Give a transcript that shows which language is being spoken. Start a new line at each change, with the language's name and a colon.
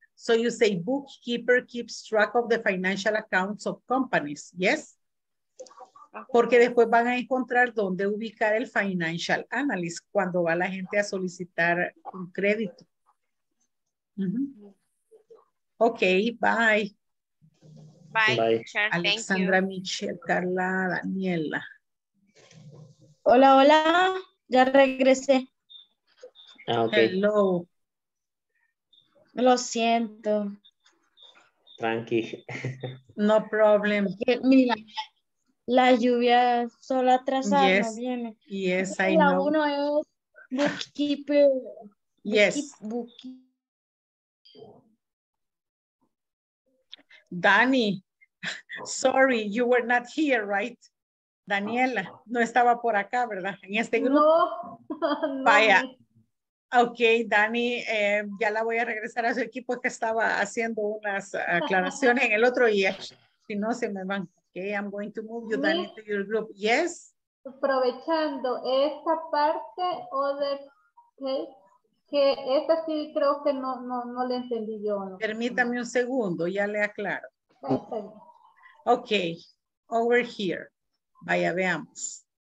English: So you say bookkeeper keeps track of the financial accounts of companies, yes?
Spanish: Porque después van a encontrar dónde ubicar el financial analyst cuando va la gente a solicitar un crédito.
English: Mm-hmm. Okay, bye. Bye. Alexandra, Michelle, Carla, Daniela.
Spanish: Hola, hola. Ya regresé. Ah, okay.
English: Hello.
Spanish: Lo siento. Tranqui.
English: No problem.
Spanish: Es que, mira, la lluvia solo atrasada
English: yes.
Spanish: No viene.
English: Yes, I know.
Spanish: Uno es bookkeeper.
English: Yes. Dani. Sorry, you were not here, right?
Spanish: Daniela, no estaba por acá, ¿verdad? En este grupo. No. Vaya. Ok, Dani, ya la voy a regresar a su equipo que estaba haciendo unas aclaraciones en el otro día. Si no, se me van.
English: Ok, I'm going to move you, Dani, to your group. Yes.
Spanish: Aprovechando esta parte, other, que esta sí creo que no la entendí yo. Permítame un segundo, ya le aclaro. Perfecto.
English: Okay, over here.
Spanish: Vaya, veamos.